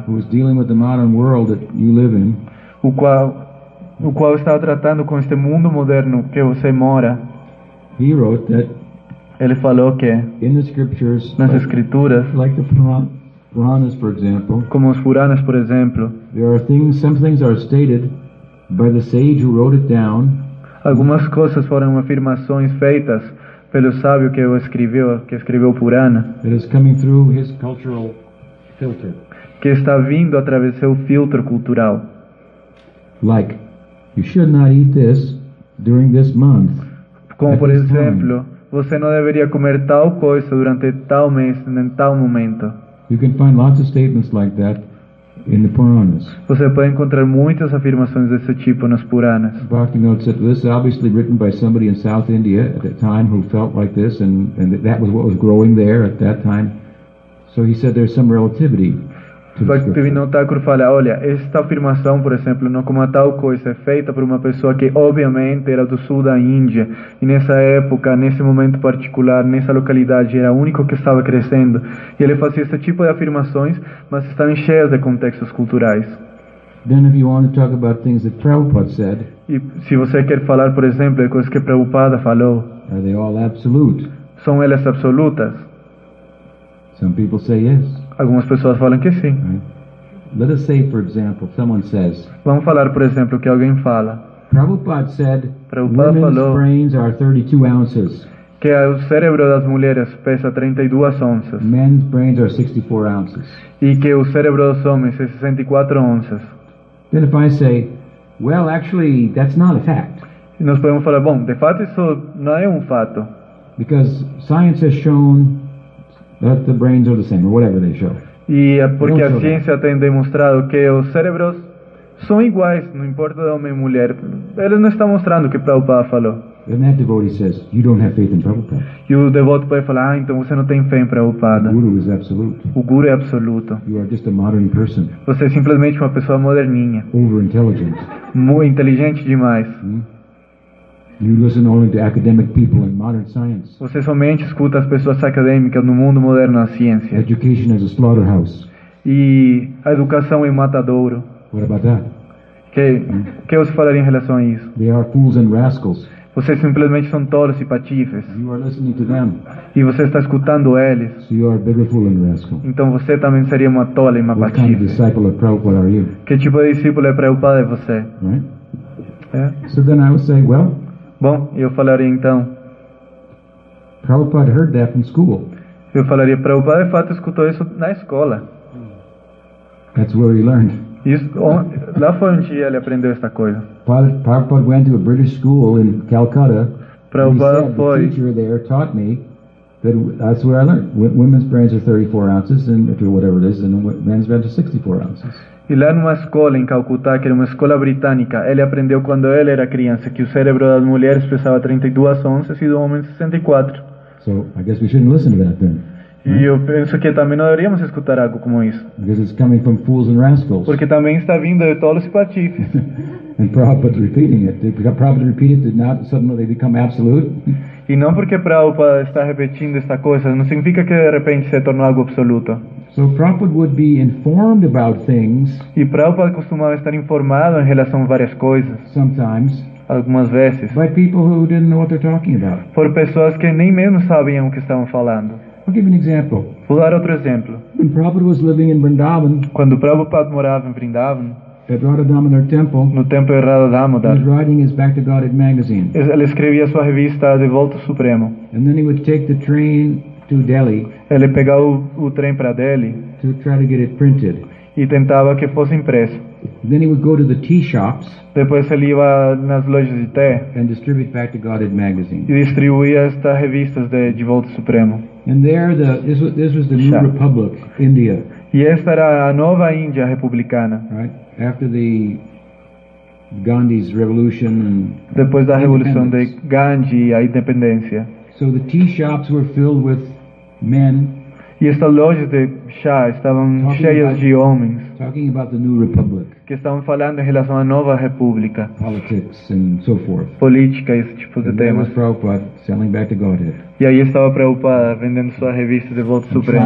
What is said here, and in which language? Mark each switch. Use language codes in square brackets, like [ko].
[en] who is dealing with the modern world that you live in, [pt] o qual estava tratando com este mundo moderno que você mora, [en] he wrote that, [pt] ele falou que [en] in the scriptures, [pt] nas escrituras, [en] like the Puranas, for example, [pt] como os Puranas, por exemplo, [en] there are things, some things are stated by the sage who wrote it down, [pt] algumas coisas foram afirmações feitas pelo sábio que escreveu o Purana, [en] that is coming through his cultural filter, [pt] que está vindo através do seu filtro cultural, [en] like, you should not eat this during this month. [pt] Como por exemplo, você não deveria comer tal coisa durante tal mês, em tal momento. [en] You can find lots of statements like that in the Puranas. [pt] Você pode encontrar muitas afirmações desse tipo nas Puranas. [en] Bhaktivinoda said, this is obviously written by somebody in South India at that time who felt like this, and that was what was growing there at that time. So he said there's some relativity to the scripture. [pt] Bhaktivinoda Thakur fala, olha, esta afirmação, por exemplo, não como a tal coisa, é feita por uma pessoa que obviamente era do sul da Índia, e nessa época, nesse momento particular, nessa localidade, era o único que estava crescendo. E ele fazia esse tipo de afirmações, mas estavam cheias de contextos culturais. [en] Then if you want to talk about things that Prabhupada said, [pt] e se você quer falar, por exemplo, de coisas que Prabhupada falou, [en] are they all absolute? [pt] São elas absolutas? [en] Some people say yes. [pt] Algumas pessoas falam que sim. [en] Let us say, for example, someone says, [pt] vamos falar, por exemplo, que alguém fala. [en] Prabhupada said, [pt] Prabhupada falou, [en] women's brains are 32 ounces. [pt] Que o cérebro das mulheres pesa 32 onças. [en] Men's brains are 64 ounces. [pt] E que o cérebro dos homens é 64 onças. [en] Then if I say, well, actually, that's not a fact. [pt] E nós podemos falar, bom, de fato isso não é fato. [en] Because science has shown that the brains are the same, or whatever they show. [pt] E porque a ciência tem demonstrado que os cérebros são iguais, não importa de homem ou mulher. Eles não estão mostrando o que Prabhupada falou. [en] And that devotee says, you don't have faith in Prabhupada. [pt] E o devoto pode falar, ah, então você não tem fé em Prabhupada. [en] The guru is absolute. [pt] O guru é absoluto. [en] You are just a modern person. [pt] Você é simplesmente uma pessoa moderninha. [en] Over-intelligent. [pt] Muito inteligente demais. [en] You listen only to academic people in modern science. [pt] Você somente escuta as pessoas acadêmicas no mundo moderno da ciência. [en] Education is a slaughterhouse. [pt] E a educação é um matadouro. [en] What about that? [pt] Que você falaria em relação a isso? [en] They are fools and rascals. [pt] Vocês simplesmente são tolos e patifes. [en] You are listening to them. [pt] E você está escutando eles. [en] So you are a bigger fool and rascal. [pt] Então você também seria uma tola e uma [en] what [pt] patife. [en] Kind of disciple of Prabhupada are you? [pt] Que tipo de discípulo é Prabhupada é você? [en] Right? [pt] É. [en] So then I would say, well, [pt] bom, eu falaria então. [en] Prabhupada heard that from school. [pt] Eu falaria, Prabhupada de fato escutou isso na escola. [en] That's where he learned. [pt] Isso, lá foi onde ele aprendeu esta coisa. [en] Prabhupada went to a British school in Calcutta. [pt] Prabhupada foi. [en] The teacher there taught me that that's where I learned. Women's brains are 34 ounces and or whatever it is, and men's brains are 64 ounces. [pt] E lá numa escola em Calcutá, que era uma escola britânica, ele aprendeu quando ele era criança que o cérebro das mulheres pesava 32 onças e do homem 64. [en] So, I guess we shouldn't listen to that then. [pt] E eu penso que também não deveríamos escutar algo como isso. [en] Because it's coming from fools and rascals. [pt] Porque também está vindo de tolos e patifes. [en] And Prabhupada repeating it. Did Prabhupada repeat it? Did not suddenly become absolute? [pt] E não porque Prabhupada está repetindo esta coisa, não significa que de repente se tornou algo absoluto. [en] So Prabhupada would be informed about things. [pt] E Prabhupada costumava estar informado em relação a várias coisas. [en] Sometimes. [pt] Algumas vezes. [en] By people who didn't know what they're talking about. [pt] Por pessoas que nem mesmo sabiam o que estavam falando. [en] I'll give you an example. [pt] Vou dar outro exemplo. [en] When Prabhupada was living in Vrindavan. [pt] Quando Prabhupada morava em Vrindavan. [en] At Radha Damodar Temple. [pt] No templo de Radha Damodar. [en] He was writing his Back to Godhead magazine. [pt] Ele escrevia sua revista De Volta ao Supremo. [en] And then he would take the train to Delhi. [pt] Ele pegava o trem para Delhi. [en] To try to get it printed. [pt] E tentava que fosse impresso. [en] Then he would go to the tea shops. [pt] Depois ele ia nas lojas de té. [en] And distribute Back to Godhead magazine. [pt] E distribuía estas revistas de Volta ao Supremo. [en] And there this was the New Republic, India. [pt] E esta era a nova Índia republicana. [en] Right. After the Gandhi's revolution and [pt] depois da revolução de Gandhi e a independência. [en] So the tea shops were filled with men. [pt] E estas lojas de chá estavam cheias de homens. [en] Talking about the new republic. [pt] Que estavam falando em relação à nova república. [en] Politics and so forth. [pt] Política e esse tipo and de temas. [en] Prabhupada selling Back to Godhead. [pt] E aí estava Prabhupada vendendo sua revista De Volta ao Supremo.